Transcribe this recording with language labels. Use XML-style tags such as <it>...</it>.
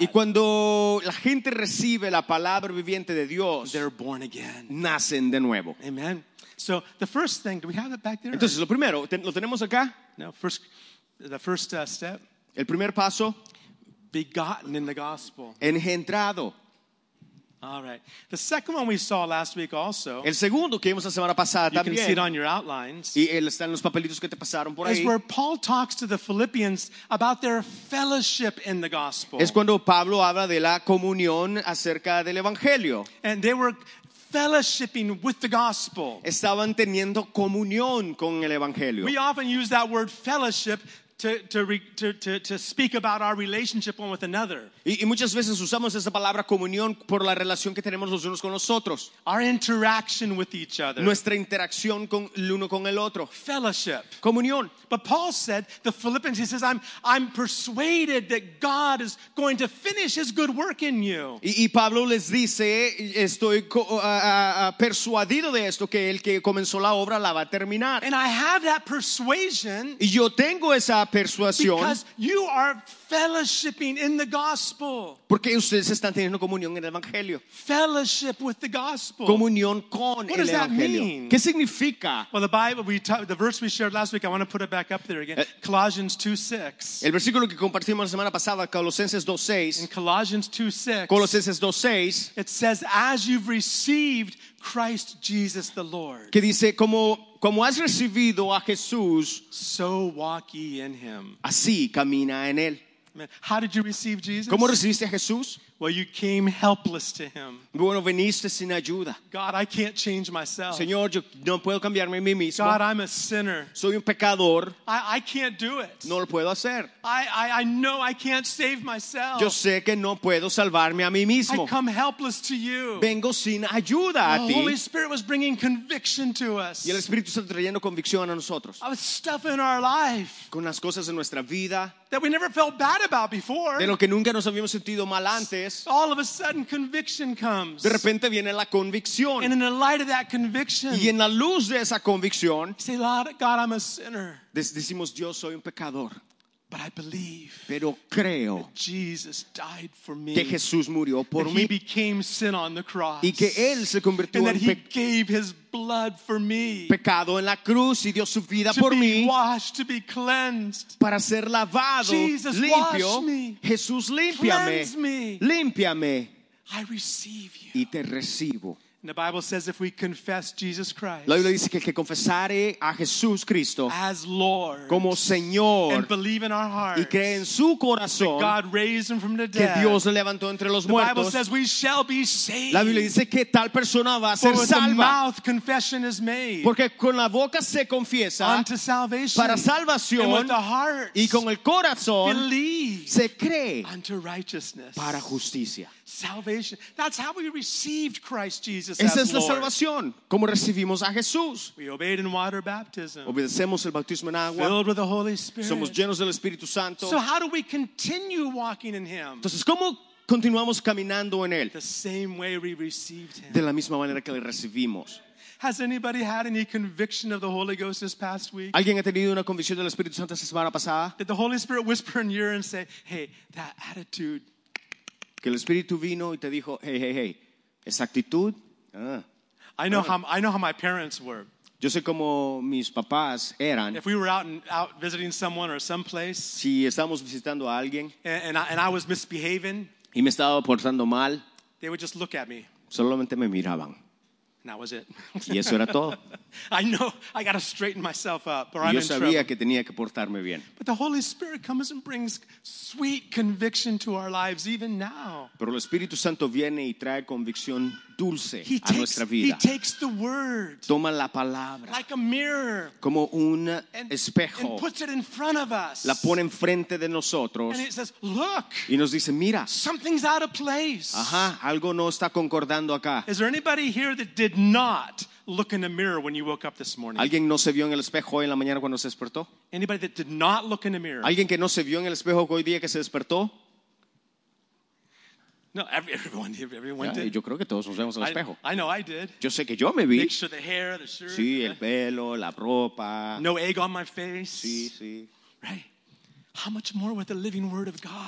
<es>Y cuando la gente recibe la palabra viviente de Dios,</es> <en>they're born again.</en> <es>Nacen de nuevo.</es> <en>Amen. So the first thing, do we have it back there?</en> <es>Entonces, lo primero, ¿lo tenemos acá?</es> <en>No, first, the first step.</en> <es>El primer paso.</es> <en>Begotten in the gospel.</en> <es>Engendrado.</es> <en>All right. The second one we saw last week also.</en> <es>El segundo que vimos la semana pasada</es> <en>you</en> <es>también.</es> <en>You can see it on your outlines.</en> <es>Y está en los papelitos que te pasaron por ahí.</es> <en>Is where Paul talks to the Philippians about their fellowship in the gospel.</en> <es>Es cuando Pablo habla de la comunión acerca del evangelio.</es> <en>And they were fellowshipping with the gospel.</en> <es>Estaban teniendo comunión con el evangelio.</es> <en>We often use that word fellowship to speak about our relationship one with another.</en> <es>Y muchas veces usamos esa palabra comunión por la relación que tenemos los unos con los otros.</es> <en>Our interaction with each other.</en> <es>Nuestra interacción con el uno con el otro.</es> <en>Fellowship.</en> <es>Comunión.</es> <en>But Paul said the Philippians. He says I'm persuaded that God is going to finish His good work in you.</en> <es>Y Pablo les dice estoy persuadido de esto que el que comenzó la obra la va a terminar.</es> <en>And I have that persuasion.</en> <es>Y yo tengo esa persuasión.</es> <en>Because you are fellowshipping in the gospel.</en> <es>Porque ustedes están teniendo comunión en el evangelio.</es> <en>Fellowship with the gospel.</en> <es>Comunión con el evangelio.</es> <en>What does that mean?</en> <es>¿Qué significa?</es> <en>Well, the Bible, the verse we shared last week, I want to put it back up there again. Colossians 2:6.</en> <es>El versículo que compartimos la semana pasada, Colosenses 2:6.</es> <en>In Colossians 2:6.</en> <es>Colosenses 2:6.</es> <en>It says, "As you've received Christ Jesus the Lord."</en> <es>Que dice como como has recibido a Jesús,</es> <en>so walk ye in him.</en> <es>Así camina en él.</es> <en>How did you receive Jesus?</en> <es>¿Cómo recibiste a Jesús?</es> <en>Well, you came helpless to him.</en> <es>Bueno, viniste sin ayuda.</es> <en>God, I can't change myself.</en> <es>Señor, yo no puedo cambiarme a mí mismo.</es> <en>God, I'm a sinner.</en> <es>Soy un pecador.</es> <en>I can't do it.</en> <es>No lo puedo hacer.</es> <en>I know I can't save myself.</en> <es>Yo sé que no puedo salvarme a mí mismo.</es> <en>I come helpless to you.</en> <es>Vengo sin ayuda a ti.</es> <en>The Holy Spirit was bringing conviction to us.</en> <es>Y el Espíritu Santo trayendo convicción a nosotros.</es> <en>Of stuff in our life.</en> <es>Con las cosas en nuestra vida.</es> <en>That we never felt bad about before.</en> <es>De lo que nunca nos habíamos sentido mal antes.</es> <en>All of a sudden conviction comes.</en> <es>De repente viene la convicción.</es> <en>And in the light of that conviction.</en> <es>Y en la luz de esa convicción.</es> <en>Say, Lord, God, I'm a sinner.</en> <es>Decimos, Dios, soy un pecador.</es> <en>But I believe.</en> <es>Pero creo.</es> <en>That Jesus died for me.</en> <es>Que Jesús murió por mí.</es> <en>He became sin on the cross.</en> <es>Y que él se convirtió en pecado.</es> <en>And that he gave his blood for me.</en> <es>Pecado en la cruz y dio su vida por mí.</es> <en>To be washed, to be cleansed.</en> <es>Para ser lavado,</es> <en>Jesus,</en> <es>limpio.</es> <en>Wash me.</en> <es>Jesús, límpiame.</es> <en>Cleanse me.</en> <es>Límpiame.</es> <en>I receive you.</en> <es>Y te recibo.</es> <en>The Bible says if we confess Jesus Christ.</en> <es>La Biblia dice que el que confesare a Jesús Cristo</es> <en>as Lord.</en> <es>Como Señor.</es> <en>And believe in our hearts.</en> <es>Y cree en su corazón.</es> <en>That God raised him from the dead.</en> <es>Que Dios le levantó entre los</es> <en>the</en> <es>muertos.</es> <en>The Bible says we shall be saved.</en> <es>La Biblia dice que tal persona va a ser salva.</es> <en>For with the mouth confession is made.</en> <es>Porque con la boca se confiesa.</es> <en>Unto salvation.</en> <es>Para salvación.</es> <en>And with the heart.</en> <es>Y con el corazón.</es> <en>Believe.</en> <es>Se cree.</es> <en>Unto righteousness.</en> <es>Para justicia.</es> <en>Salvation. That's how we received Christ Jesus.</en> <es>Esa es la salvación. Como recibimos a Jesús.</es> <en>We obeyed in water baptism.</en> <es>Obedecemos el bautismo en agua.</es> <en>Filled with the Holy Spirit.</en> <es>Somos llenos del Espíritu Santo.</es> <en>So how do we continue walking in Him?</en> <es>Entonces, ¿cómo continuamos caminando en él?</es> <en>The same way we received Him.</en> <es>De la misma manera que le recibimos.</es> <en>Has anybody had any conviction of the Holy Ghost this past week?</en> <es>¿Alguien ha tenido una convicción del Espíritu Santo esta semana pasada?</es> <en>Did the Holy Spirit whisper in your ear and say, "Hey, that attitude"?</en> <es>Que el Espíritu vino y te dijo, hey, hey, hey, esa actitud.</es> <en>I know how my parents were.</en> <es>Yo sé cómo mis papás eran.</es> <en>If we were out visiting someone or someplace.</en> <es>Si estábamos visitando a alguien.</es> <en>And I was misbehaving.</en> <es>Y me estaba portando mal.</es> <en>They would just look at me.</en> <es>Solamente me miraban.</es> <en>And that was it.</en> <es>Y eso era todo.</es> <en>I know I got to straighten myself up, or</en> <es>yo</es> <en>I'm in</en> <es>sabía</es> <en>trouble.</en> <es>Que tenía que portarme bien.</es> <en>But the Holy Spirit comes and brings sweet conviction to our lives, even now.</en> <es>Pero el Espíritu Santo viene y trae convicción dulce</es> <en>he</en> <es>a nuestra</es> <en>takes,</en> <es>vida.</es> <en>He takes the word,</en> <es>toma la palabra</es> <en>like a mirror,</en> <es>como un espejo</es> <en>and puts it in front of us.</en> <es>La pone enfrente de nosotros</es> <en>and it says, look,</en> <es>y nos dice, mira,</es> <en>something's out of place.</en> <es>Ajá, algo no está concordando acá.</es> <en>Is there anybody here that did not look in the mirror when you woke up this morning?</en> <es>¿Alguien no se vio en el espejo hoy en la mañana cuando se despertó?</es> <en>Anybody that did not look in the mirror?</en> <es>¿Alguien que no se vio en el espejo hoy día que se despertó?</es> <en>No, everyone did.</en> <es>Yo creo que todos nos vemos en el espejo.</es> <en>I know I did.</en> <es>Yo sé que yo me vi.</es> <en>Make sure the hair, the shirt.</en> <es>Sí, el pelo, la ropa.</es> <en>No egg on my face.</en> <es>Sí, sí.</es> <en>Right. How much more with the living word of God?</en>